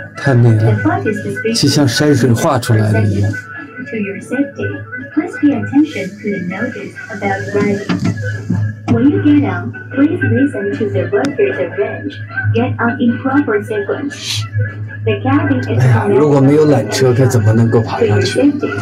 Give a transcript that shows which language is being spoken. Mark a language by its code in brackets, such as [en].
[zh] 太美了，就像山水画出来的一样。 [en] To your safety, please pay attention to the notice about riding. When you get on, please listen to the workers arrange. Get on in proper sequence. [zh] 哎呀，如果没有缆车，该怎么能够爬上去？